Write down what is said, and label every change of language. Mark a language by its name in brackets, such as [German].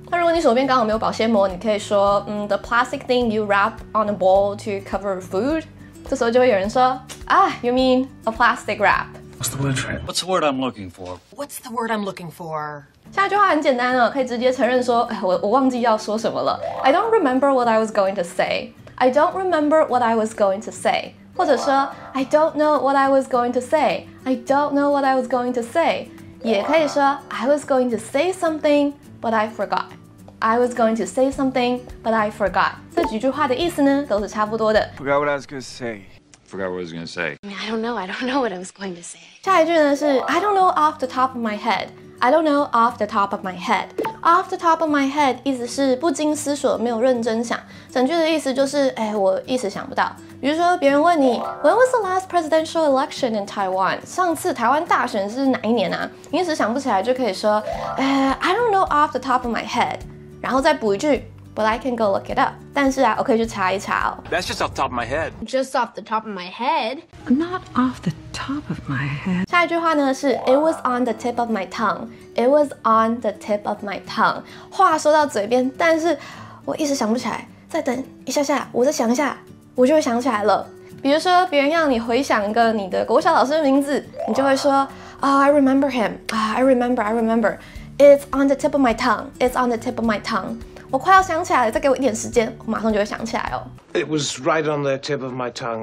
[Chinese] 那如果你手边刚好没有保鲜膜，你可以说 [English] The plastic thing you wrap on a bowl to cover food. [Chinese] 这时候就会有人说 [English] You mean a plastic wrap? What's the word for it? What's the word I'm looking for? What's the word I'm looking for? [Chinese] 下一句话很简单哦，可以直接承认说，我忘记要说什么了。 [English] I don't remember what I was going to say. I don't remember what I was going to say. [Chinese] 或者说 [English] I don't know what I was going to say. I don't know what I was going to say. [Chinese] 也可以说 [English] I was going to say something, but I forgot. I was going to say something, but I forgot. [Chinese] 这几句话的意思呢，都是差不多的。 [English] Forgot what I was going to say. Forgot what I was gonna say. I don't know. I don't know what I was going to say. [Chinese] 下一句呢是 [English] I don't know off the top of my head. I don't know off the top of my head. Off the top of my head [Chinese] 意思是不经思索，没有认真想。整句的意思就是，我一时想不到。比如说别人问你 [English] When was the last presidential election in Taiwan? [Chinese] 上次台湾大选是哪一年啊？你一时想不起来，就可以说， [English] I don't know off the top of my head. [Chinese] 然后再补一句。 [English] But I can go look it up. [Chinese] 但是啊，我可以去查一查哦。 [English] That's just off the top of my head. Just off the top of my head. Not off the top of my head. [Chinese] 下一句话呢是 [English] It was on the tip of my tongue. It was on the tip of my tongue. [Chinese] 话说到嘴边，但是我一时想不起来。再等一下下，我再想一下，我就会想起来了。比如说别人要你回想一个你的国小老师的名字，你就会说 [English] Oh, I remember him. Oh, I remember, I remember. It's on the tip of my tongue. It's on the tip of my tongue. [Chinese] 我快要想起来了，再给我一点时间，我马上就会想起来哦。 [English] It was right on the tip of my tongue.